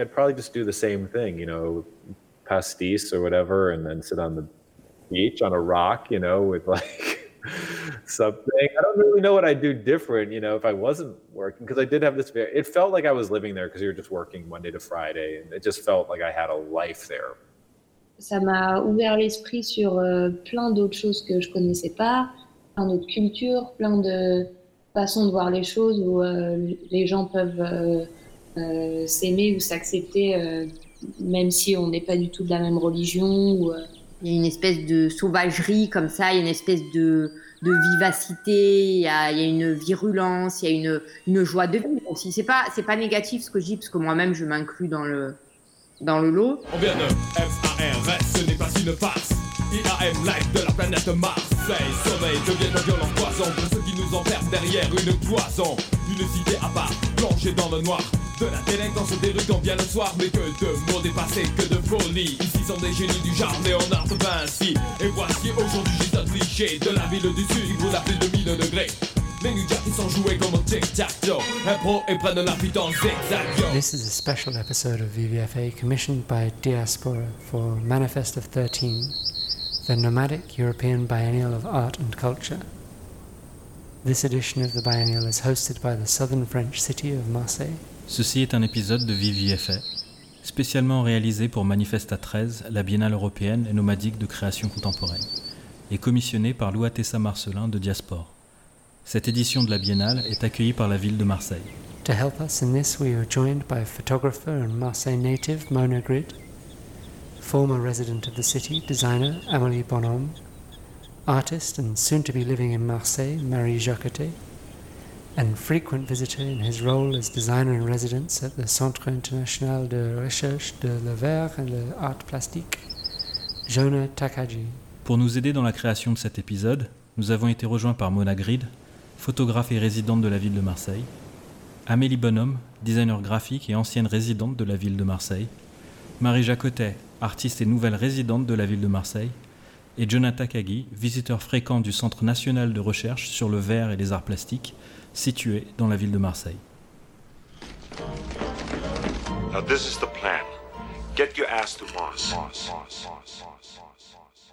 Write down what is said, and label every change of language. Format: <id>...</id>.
<en>I'd probably just do the same thing, you know, pastis or whatever, and then sit on the beach on a rock, you know, with like something. I don't really know what I'd do different, you know, if I wasn't working, because I did have this, it felt like I was living there because you were just working Monday to Friday, and it just felt like I had a life there.</en> <fr>Ça m'a ouvert l'esprit sur plein d'autres choses que je connaissais pas, plein d'autres cultures, plein de façons de voir les choses où les gens peuvent s'aimer ou s'accepter même si on n'est pas du tout de la même religion. Ou, Il y a une espèce de sauvagerie comme ça, il y a une espèce de vivacité, il y a une virulence, il y a une joie de vivre aussi. C'est pas négatif ce que je dis, parce que moi-même je m'inclus dans le lot. On vient de F-A-R-S, ce n'est pas une farce. IAM Life de la planète Mars. Veille, sommeil, devient un violent poison pour ceux qui nous enferment derrière une cloison. Une cité à part, plongée dans le noir. De la délinquance des rues quand vient le soir. Mais que de mots dépassés, que de folie. Ici sont des génies du genre Léonard Vinci. Et voici aujourd'hui juste un cliché de la ville du sud, vous appelez 2000 degrés. Les ninjas qui sont joués comme un tic-tac-toe. Impro et prennent la vie dans zigzag.</fr> <en>This is a special episode of VVFA commissioned by Diaspora for Manifest of 13, the Nomadic European Biennial of Art and Culture. This edition of the Biennial is hosted by the southern French city of Marseille.</en> <fr>Ceci est un épisode de VVFA, spécialement réalisé pour Manifesta 13, la Biennale européenne et nomadique de création contemporaine, et commissionné par Louis Tessa Marcelin de Diaspora. Cette édition de la Biennale est accueillie par la ville de Marseille.</fr> <en>To help us in this, we are joined by photographer and Marseille native Mona Grid, former resident of the city, designer Amélie Bonhomme, artist and soon-to-be-living-in-Marseille, Marie Jacquetet, and frequent visitor in his role as designer in residence at the Centre International de Recherche de l'Avert et de l'Art Plastique, Jonah Takagi.</en> <fr>Pour nous aider dans la création de cet épisode, nous avons été rejoints par Mona Grid, photographe et résidente de la ville de Marseille, Amélie Bonhomme, designer graphique et ancienne résidente de la ville de Marseille, Marie Jacotet, artiste et nouvelle résidente de la ville de Marseille, et Jonah Takagi, visiteur fréquent du Centre National de Recherche sur le verre et les arts plastiques, situé dans la ville de Marseille.</fr> <en>Now this is the plan. Get your ass to Mars.</en>